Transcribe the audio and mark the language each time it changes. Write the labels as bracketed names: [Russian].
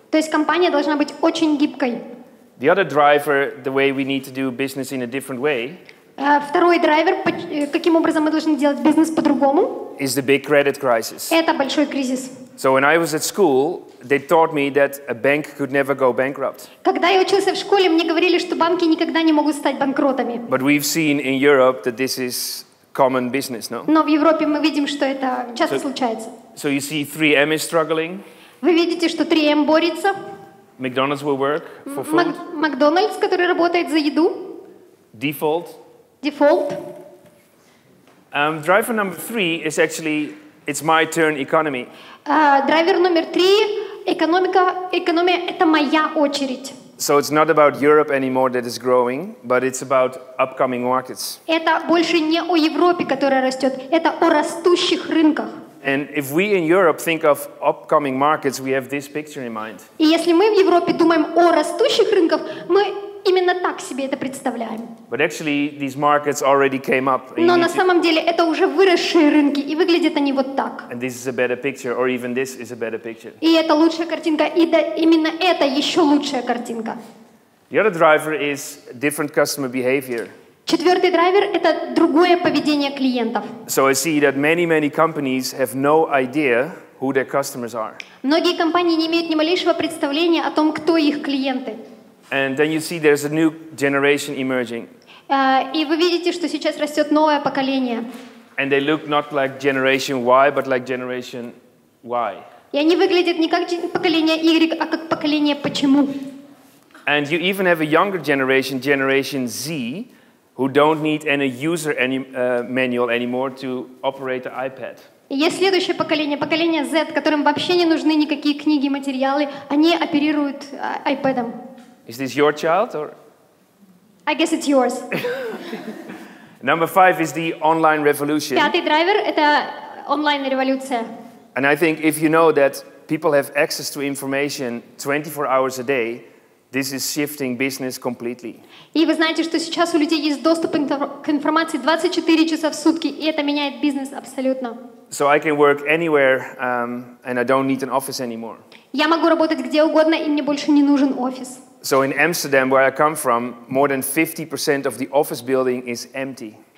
[Russian] То есть компания должна быть очень гибкой. [English] The other driver, the way we need to do business in a different way. [Russian] Второй драйвер, каким образом мы должны делать бизнес по-другому? [English] Is the big credit crisis. [Russian] Это большой кризис. [English] So when I was at school, they taught me that a bank could never go bankrupt. [Russian] Когда я учился в школе, мне говорили, что банки никогда не могут стать банкротами. [English] But we've seen in Europe that this is common business, no? [Russian] Но в Европе мы видим, что это часто случается. [English] So you see 3M is struggling. [Russian] Вы видите, что 3M борется. [English] McDonald's will work for food. [Russian] McDonald's, который работает за еду. [English] Default. Default. Driver number three is actually, it's my turn economy. Driver number three, [Russian] экономия, это моя очередь. [English] So it's not about Europe anymore that is growing, but it's about upcoming markets. [Russian] Это больше не о Европе, которая растет, это о растущих рынках. [English] And if we in Europe think of upcoming markets, we have this picture in mind. [Russian] И если мы в Европе думаем о растущих рынках, мы именно так себе это представляем. [English] But actually, these markets already came up. [Russian] Но на самом деле это уже выросшие рынки, и выглядят они вот так. [English] And this is a better picture, or even this is a better picture. [Russian] И это лучшая картинка, и да, именно это еще лучшая картинка. [English] The other driver is different customer behavior. [Russian] Четвертый драйвер – это другое поведение клиентов. [English] So I see that many companies have no idea who their customers are. [Russian] Многие компании не имеют ни малейшего представления о том, кто их клиенты. [English] And then you see there's a new generation emerging. [Russian] И вы видите, что сейчас растет новое поколение. [English] And they look not like generation Y, but like generation Y. [Russian] И они выглядят не как поколение Y, а как поколение почему. [English] And you even have a younger generation, generation Z, who don't need any user manual anymore to operate the iPad. [Russian] Есть следующее поколение, поколение Z, которым вообще не нужны никакие книги, материалы, они оперируют iPad'ом. [English] Is this your child or? I guess it's yours. Number five is the online revolution. [Russian] Пятый драйвер — это онлайн-революция. [English] And I think if you know that people have access to information 24 hours a day, this is shifting business completely. [Russian] И вы знаете, что сейчас у людей есть доступ к информации 24 часа в сутки, и это меняет бизнес абсолютно. [English] So I can work anywhere, and I don't need an office anymore. [Russian] Я могу работать где угодно, и мне больше не нужен офис. [English] So in Amsterdam, where I come from, more than 50% of the office building is empty.